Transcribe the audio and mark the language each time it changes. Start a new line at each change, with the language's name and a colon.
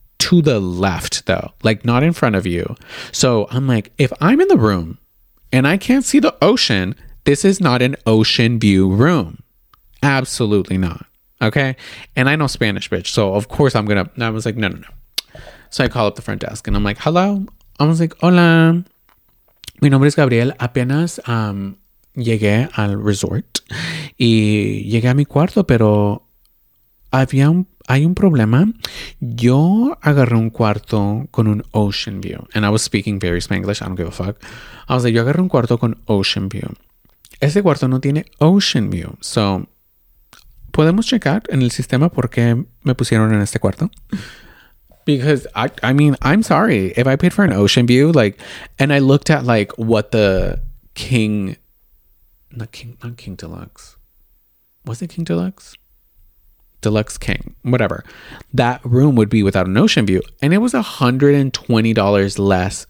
English: To the left though, like not in front of you. So I'm like, if I'm in the room and I can't see the ocean, this is not an ocean view room. Absolutely not. Okay. And I know Spanish, bitch. So of course I'm gonna, and I was like, no. So I call up the front desk and I'm like, hello. I was like,
Spanish: hola. Mi nombre es Gabriel. Apenas llegué al resort y llegué a mi cuarto, pero había un, hay un problema. Yo agarré un cuarto con un
English: ocean view. And I was speaking very Spanglish. I don't give a fuck. I was like,
Spanish: yo agarré un cuarto con
English: ocean view.
Spanish: Ese cuarto no tiene
English: ocean view.
Spanish: So, ¿podemos checar en el sistema por qué me pusieron en este cuarto?
English: Because, I mean, I'm sorry. If I paid for an ocean view, like, and I looked at, like, what the King, not King, not King Deluxe. Was it King Deluxe? Deluxe King, whatever, that room would be without an ocean view, and it was $120 less.